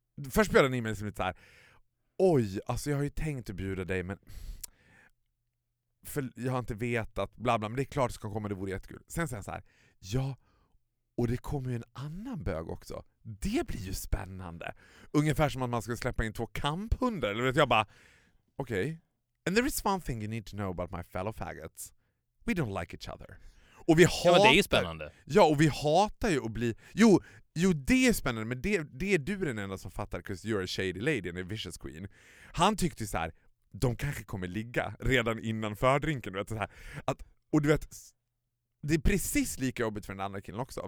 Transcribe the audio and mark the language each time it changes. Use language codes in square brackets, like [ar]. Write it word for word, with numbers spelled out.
[sv] Först bjöd han in mig som lite så här, oj, alltså jag har ju tänkt att bjuda dig, men... För jag har inte vetat, bla bla, men det är klart det ska komma, det vore jättekul. Sen säger han så här, ja, och det kommer ju en annan bög också. Det blir ju spännande. Ungefär som att man skulle släppa in två kamphundar. Eller vet jag bara, okej. Okay. [en] And there is one thing you need to know about my fellow faggots. We don't like each other. [sv] Och vi hatar, ja, det är ju spännande. Ja, och vi hatar ju att bli... Jo, jo det är spännande, men det, det är du den enda som fattar, [en] 'cause you're a shady lady and a vicious queen. [sv] Han tyckte så här, de kanske kommer ligga redan innan fördrinken. Du vet, så här. Att, och du vet, det är precis lika jobbigt för den andra killen också.